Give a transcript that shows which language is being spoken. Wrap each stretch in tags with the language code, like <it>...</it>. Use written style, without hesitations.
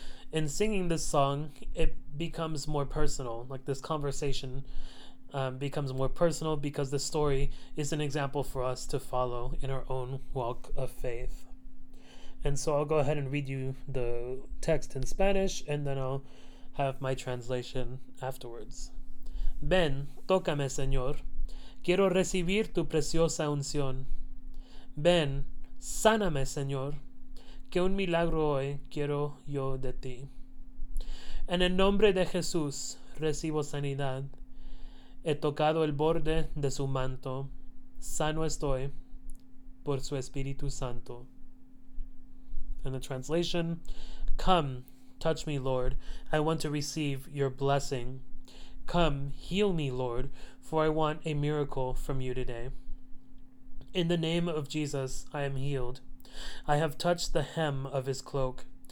<en>In singing this song, it becomes more personal, like this conversation becomes more personal because the story is an example for us to follow in our own walk of faith. And so I'll go ahead and read you the text in Spanish, and then I'll have my translation afterwards.</en> <es>Ven, tócame, Señor. Quiero recibir tu preciosa unción. Ven, sáname, Señor. Que un milagro hoy quiero yo de ti. En el nombre de Jesús recibo sanidad. He tocado el borde de su manto. Sano estoy por su Espíritu Santo.</es> <en>In the translation, come, touch me, Lord. I want to receive your blessing. Come, heal me, Lord, for I want a miracle from you today. In the name of Jesus, I am healed. I have touched the hem of his cloak.</en>